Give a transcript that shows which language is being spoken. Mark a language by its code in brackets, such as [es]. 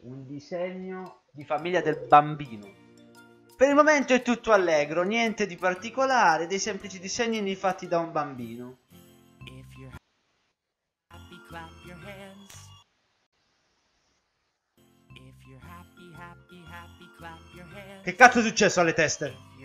[it] Un disegno di famiglia del bambino. Per il momento è tutto allegro, niente di particolare, dei semplici disegni fatti da un bambino. [en] If you're happy, clap your hands. If you're happy, happy, happy, clap your hands. [it] Che cazzo è successo alle teste?